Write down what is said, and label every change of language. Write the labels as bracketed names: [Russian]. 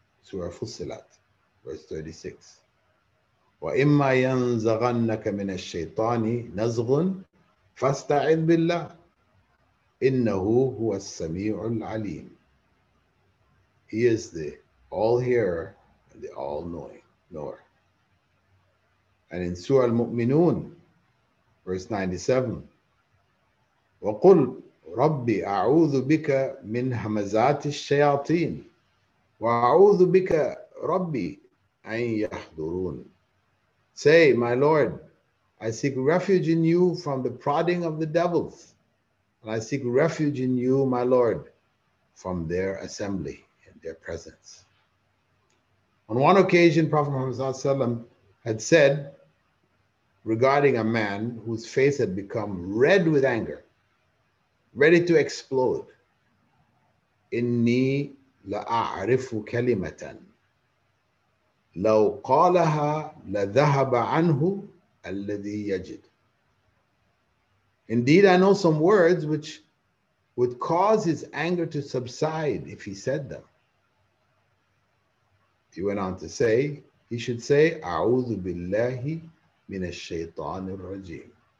[English] Surah Fussilat, verse 36. [Arabic] وَإِمَّا يَنْزَغَنَّكَ مِنَ الشَّيْطَانِ نَزْغٌ فَاسْتَعِذْ بِاللَّهِ إِنَّهُ هُوَ السَّمِيعُ الْعَلِيمُ. [English] He is the all-hearer and the all-knower. And in Surah Al-Mu'minun, verse 97, [Arabic] وَقُلْ رَبِّ أَعُوذُ بِكَ مِنْ هَمَزَاتِ الشَّيَاطِينِ وَأَعُوذُ بِكَ رَبِّ أَنْ يَحْضُرُونَ. [English] Say, my Lord, I seek refuge in you from the prodding of the devils And I seek refuge in you, my Lord, from their assembly and their presence. On one occasion, Prophet Muhammad had said regarding a man whose face had become red with anger, ready to explode, [Arabic] Inni la'arifu kalimatan. لو قالها لذهب عنه الذي يجد. [English] Indeed, I know some words which would cause his anger to subside if he said them. He went on to say, he should say, [Arabic] أعوذ بالله من الشيطان الرجيم.